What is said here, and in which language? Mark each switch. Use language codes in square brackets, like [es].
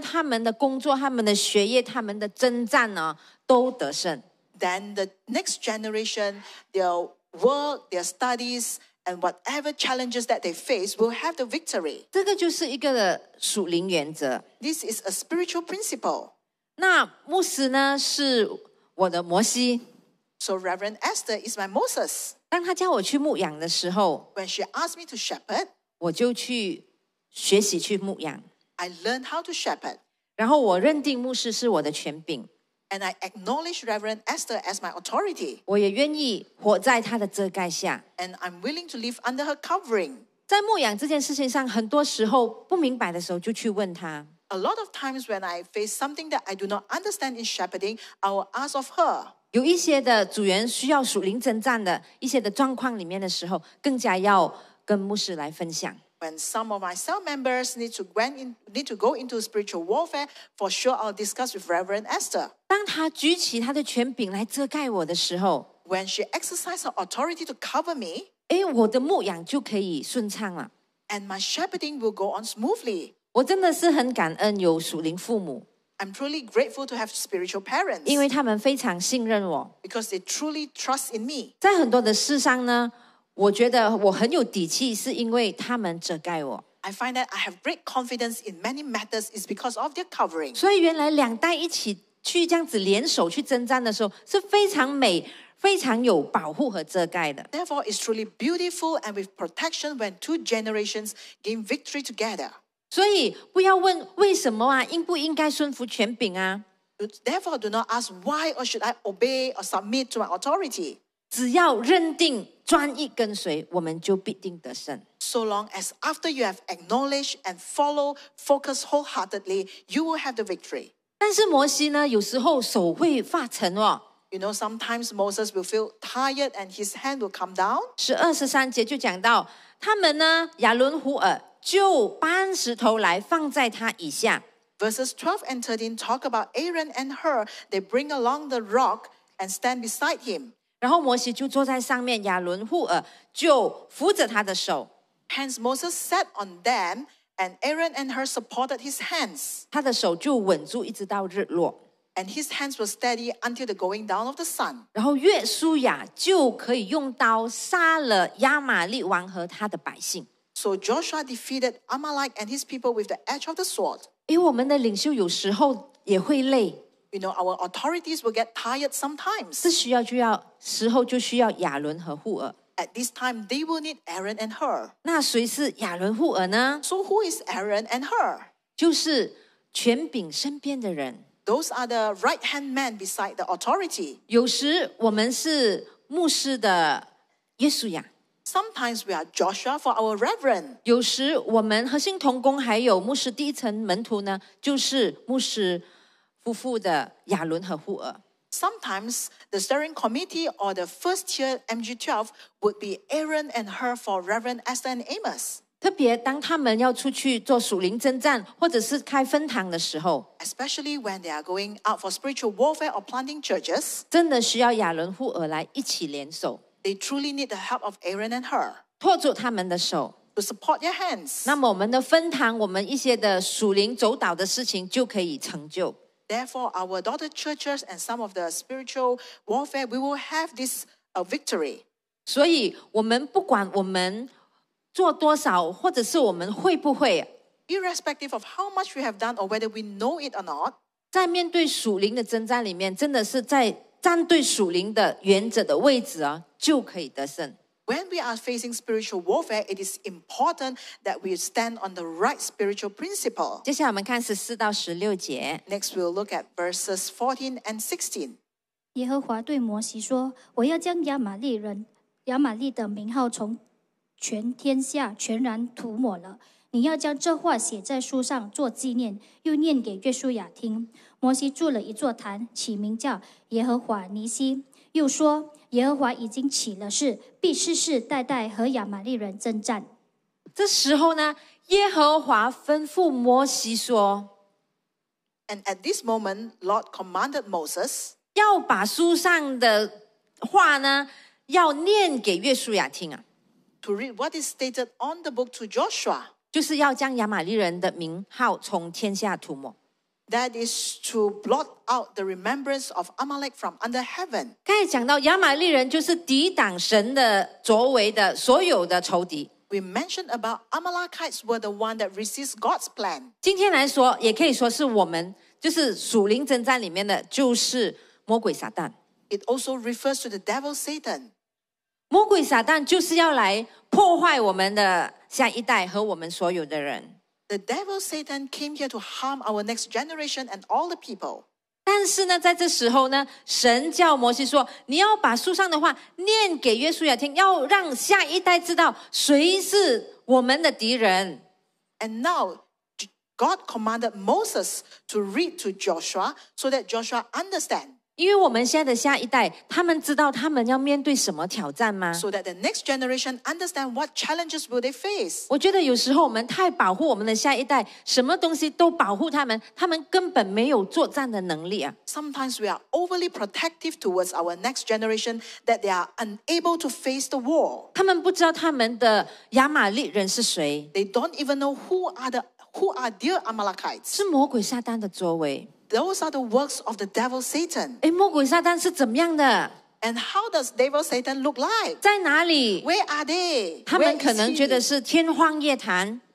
[zh] 他们的工作、他们的学业、他们的征战呢，都得胜 [en] Then the next generation, their work, their studies, and whatever challenges that they face will have the victory. [zh] 这个就是一个属灵原则。 [en] This is a spiritual principle. [zh] 那牧师呢是我的摩西。 [en] So Reverend Esther is my Moses. [zh] 当他叫我去牧养的时候 [en] ，When she asked me to shepherd, [zh] 我就去学习去牧养。 [en] I learned how to shepherd. [zh] 然后我认定牧师是我的权柄。 [en] And I acknowledge Reverend Esther as my authority. [zh] 我也愿意活在她的遮盖下。 [en] And I'm willing to live under her covering. [zh] 在牧养这件事情上，很多时候不明白的时候就去问她。 [en] A lot of times when I face something that I do not understand in shepherding, I will ask of her. [zh] 有一些的组员需要属灵征战的一些的状况里面的时候，更加要跟牧师来分享。 [en] When some of my cell members need to go into spiritual warfare, for sure I'll discuss with Reverend Esther. [zh] 当她举起她的权柄来遮盖我的时候 [en] ，When she exercises her authority to cover me, [zh] 哎，我的牧养就可以顺畅了 [en] ，And my shepherding will go on smoothly. [zh] 我真的是很感恩有属灵父母 [en] ，I'm truly grateful to have spiritual parents. [zh] 因为他们非常信任我 [en] ，Because they truly trust in me. [zh] 在很多的事上呢。我觉得我很有底气，是因为他们遮盖我。 [en] I find that I have great confidence in many matters is because of their covering. [zh] 所以原来两代一起去这样子联手去征战的时候，是非常美、非常有保护和遮盖的。 [en] Therefore, it's truly beautiful and with protection when two generations gain victory together. [zh] 所以不要问为什么啊，应不应该顺服权柄啊。 [en] Therefore, do not ask why or should I obey or submit to my authority. [zh] 只要认定。专一跟随，我们就必定得胜。 [en] So long as after you have acknowledged and follow, focus wholeheartedly, you will have the victory. [zh] 但是摩西呢，有时候手会发沉哦。 [en] You know, sometimes Moses will feel tired and his hand will come down. [zh] 十二十三节就讲到，他们呢，亚伦胡尔就搬石头来放在他以下。 [en] Verses 12 and 13 talk about Aaron and Hur. They bring along the rock and stand beside him. [zh] 然后摩西就坐在上面，亚伦户尔就扶着他的手。 [en] Hence Moses sat on them, and Aaron and her supported his hands. [zh] 他的手就稳住一直到日落。 [en] And his hands were steady until the going down of the sun. [zh] 然后约书亚就可以用刀杀了亚玛力王和他的百姓。 [en] So Joshua defeated Amalek and his people with the edge of the sword. [zh] 因为我们的领袖有时候也会累。 [en] You know, our authorities will get tired sometimes. [zh] 这需要就要时候就需要亚伦和户珥。 [en] At this time, they will need Aaron and her. [zh] 那谁是亚伦户珥呢 [en] ？So who is Aaron and her? [zh] 就是权柄身边的人。 [en] Those are the right-hand men beside the authority. [zh] 有时我们是牧师的约书亚。 [en] Sometimes we are Joshua for our reverend. [zh] 有时我们核心同工还有牧师第一层门徒呢，就是牧师夫妇的亚伦和户珥。 [en] Sometimes the steering committee or the first tier MG12 would be Aaron and her for Reverend Esther and Amos. [zh] 特别当他们要出去做属灵征战或者是开分堂的时候 [en] ，especially when they are going out for spiritual warfare or planting churches， [zh] 真的需要亚伦户珥来一起联手。 [en] They truly need the help of Aaron and her， [zh] 托住他们的手 [en] ，to support their hands。 [zh] 那么我们的分堂，我们一些的属灵走祷的事情就可以成就。 [en] Therefore, our daughter churches and some of the spiritual warfare, we will have this victory. [zh] 所以我们不管我们做多少，或者是我们会不会 [en] ，irrespective of how much we have done or whether we know it or not, [zh] 在面对属灵的征战里面，真的是在站对属灵的原则的位置啊，就可以得胜。 [en] When we are facing spiritual warfare, it is important that we stand on the right spiritual principle. [zh] 接下来我们看14到16节。 [en] Next, we'll look at verses 14 and 16. [zh] 耶和华对摩西说，我要将亚玛利人、亚玛利的名号从全天下全然涂抹了。你要将这话写在书上做纪念，又念给约书亚听。摩西筑了一座坛，起名叫耶和华尼西，又说耶和华已经起了誓，必世世代代和亚玛利人征战。这时候呢，耶和华吩咐摩西说 [en] ：“And at this moment, Lord commanded Moses [zh] 要把书上的话呢，要念给约书亚听啊。 [en] To read what is stated on the book to Joshua， [zh] 就是要将亚玛利人的名号从天下涂抹。” [en] That is to blot out the remembrance of Amalek from under heaven. [zh] 刚才讲到亚玛利人就是抵挡神的作为的所有的仇敌。 [en] We mentioned about Amalekites were the one that resist God's plan. [zh] 今天来说也可以说是我们就是属灵征战里面的就是魔鬼撒旦。 [en] It also refers to the devil Satan. [zh] 魔鬼撒旦就是要来破坏我们的下一代和我们所有的人。 [en] The devil Satan came here to harm our next generation and all the people. [zh] 但是呢，在这时候呢，神叫摩西说：“你要把书上的话念给约书亚听，要让下一代知道谁是我们的敌人。” [en] And now, God commanded Moses to read to Joshua so that Joshua understand. [zh] 因为我们现在的下一代，他们知道他们要面对什么挑战吗 [en] ？So that the next generation understand what challenges will they face. [zh] 我觉得有时候我们太保护我们的下一代，什么东西都保护他们，他们根本没有作战的能力啊。 [en] Sometimes we are overly protective towards our next generation that they are unable to face the war. [zh] 他们不知道他们的亚玛力人是谁。 [en] They don't even know who are dear Amalekites. [zh] 是魔鬼撒旦的作为。 [en] Those are the works of the devil Satan. [zh] 诶，魔鬼撒旦是怎么样的 [en] ？And how does devil Satan look like? [zh] 在哪里 [en] ？Where are they? [zh] 他们可能觉得是天荒夜谭。